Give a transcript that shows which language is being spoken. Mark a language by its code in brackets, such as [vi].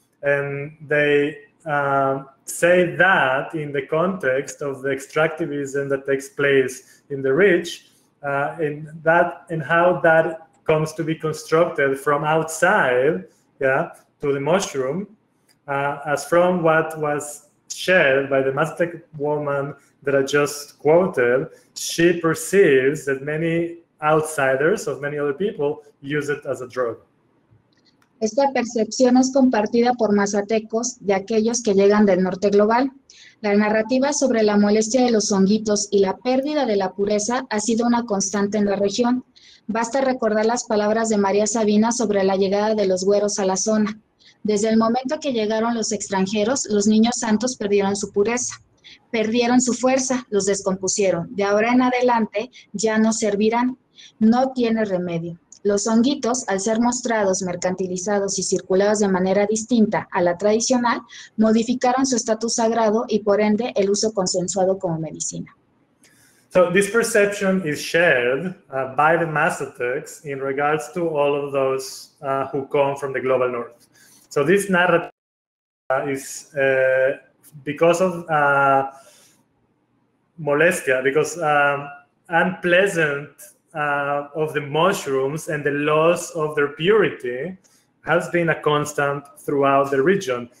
[en] And they say that in the context of the extractivism that takes place in the ridge, and how that comes to be constructed from outside, yeah, to the mushroom, as from what was shared by the Mazatec woman that I just quoted, she perceives that many outsiders of many other people use it as a drug. [es] Esta percepción es compartida por mazatecos de aquellos que llegan del norte global. La narrativa sobre la molestia de los honguitos y la pérdida de la pureza ha sido una constante en la región. Basta recordar las palabras de María Sabina sobre la llegada de los güeros a la zona. Desde el momento que llegaron los extranjeros, los niños santos perdieron su pureza. Perdieron su fuerza, los descompusieron. De ahora en adelante ya no servirán. No tiene remedio. Los honguitos, al ser mostrados, mercantilizados y circulados de manera distinta a la tradicional, modificaron su estatus sagrado y, por ende, el uso consensuado como medicina. [en] So this perception is shared by the Mazatecs in regards to all of those who come from the global north. So this narrative is because of molestia, because unpleasant of the mushrooms and the loss of their purity has been a constant throughout the region.